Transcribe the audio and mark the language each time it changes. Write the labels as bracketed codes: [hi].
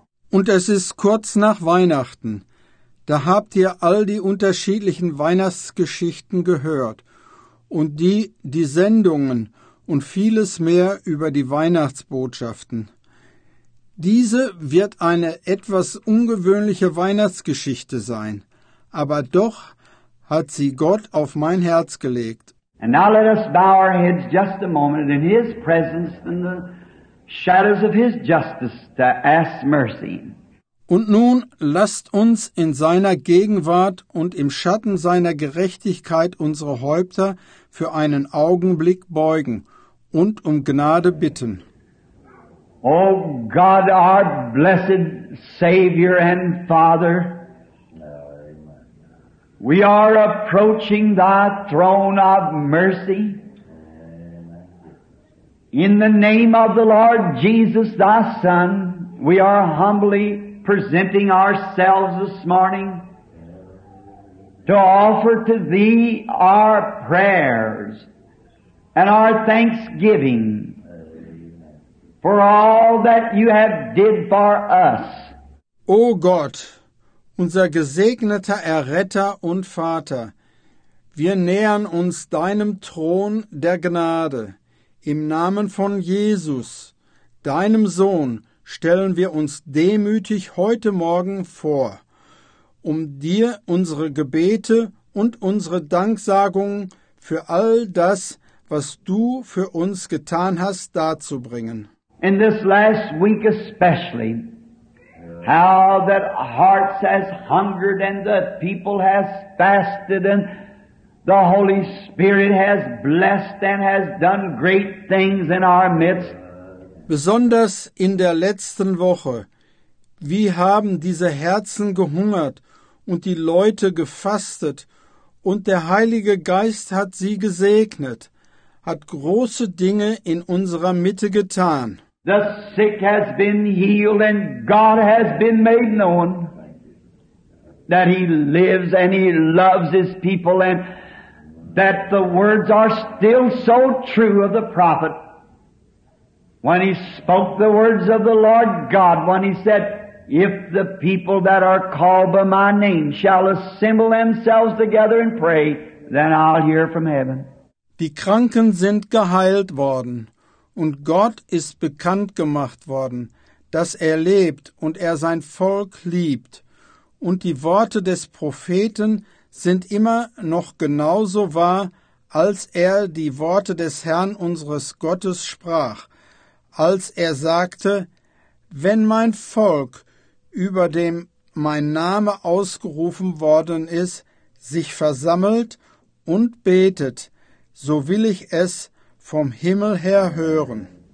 [de] Und es ist kurz nach Weihnachten. Da habt ihr all die unterschiedlichen Weihnachtsgeschichten gehört und die Sendungen und vieles mehr über die Weihnachtsbotschaften. Diese wird eine etwas ungewöhnliche Weihnachtsgeschichte sein, aber doch hat sie Gott auf mein Herz gelegt. [en] And now let us bow our heads just a moment in His presence in the shadows of His justice to ask mercy. [de] Und nun lasst uns in seiner Gegenwart und im Schatten seiner Gerechtigkeit unsere Häupter für einen Augenblick beugen und um Gnade bitten. [en] O God, our blessed Savior and Father, we are approaching Thy throne of mercy. In the name of the Lord Jesus, Thy Son, we are humbly presenting ourselves this morning to offer to Thee our prayers and our thanksgiving for all that You have did for us. O God, [de] Unser gesegneter Erretter und Vater, wir nähern uns deinem Thron der Gnade. Im Namen von Jesus, deinem Sohn, stellen wir uns demütig heute Morgen vor, um dir unsere Gebete und unsere Danksagungen für all das, was du für uns getan hast, darzubringen. [en] In this last week especially, how that hearts has hungered and the people has fasted and the Holy Spirit has blessed and has done great things in our midst. [de] Besonders in der letzten Woche, wie haben diese Herzen gehungert und die Leute gefastet und der Heilige Geist hat sie gesegnet, hat große Dinge in unserer Mitte getan. [en] The sick has been healed and God has been made known that he lives and he loves his people and that the words are still so true of the prophet when he spoke the words of the Lord God when he said, if the people that are called by my name shall assemble themselves together and pray, then I'll hear from heaven. [de] Die Kranken sind geheilt worden. Und Gott ist bekannt gemacht worden, dass er lebt und er sein Volk liebt. Und die Worte des Propheten sind immer noch genauso wahr, als er die Worte des Herrn unseres Gottes sprach, als er sagte, wenn mein Volk, über dem mein Name ausgerufen worden ist, sich versammelt und betet, so will ich es vom Himmel her hören.